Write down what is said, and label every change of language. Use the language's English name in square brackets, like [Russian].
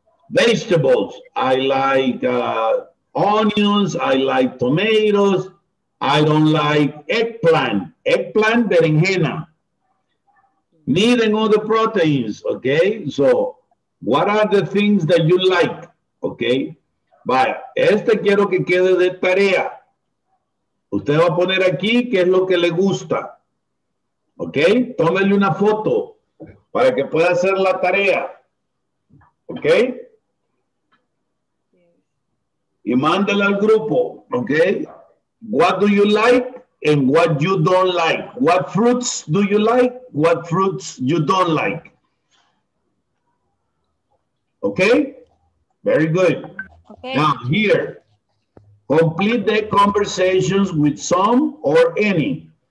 [English] Vegetables, I like onions, I like tomatoes, I don't like eggplant, berenjena. Meat and other proteins, okay? So, what are the things that you like, okay? [Spanish] Vaya, este quiero que quede de tarea. Usted va a poner aquí qué es lo que le gusta, okay? Tómele una foto para que pueda hacer la tarea, okay? Y mándale al grupo, okay? [English] What do you like and what you don't like? What fruits do you like? What fruits you don't like? Okay? Very good. Okay. Now here, complete the conversations with some or any.